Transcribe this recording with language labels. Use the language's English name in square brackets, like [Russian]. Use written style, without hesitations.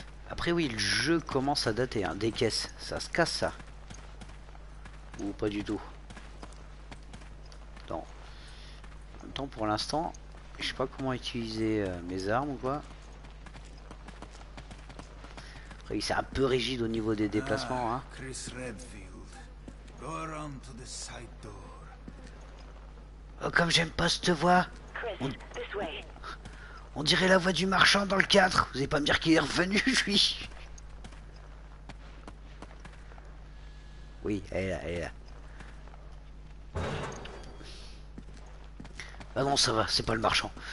[French] Après oui, le jeu commence à dater, hein. Des caisses, ça se casse ça. Ou pas du tout. Non. En même temps, pour l'instant, je sais pas comment utiliser mes armes ou quoi. Après oui, c'est un peu rigide au niveau des déplacements. Hein. [English] Chris Redfield, go around to the side door. [French] Oh, comme j'aime pas cette voix. [English] Chris, this way. [French] On dirait la voix du marchand dans le 4. Vous allez pas me dire qu'il est revenu, lui. Oui, elle est là, elle est là. Ah non, ça va, c'est pas le marchand.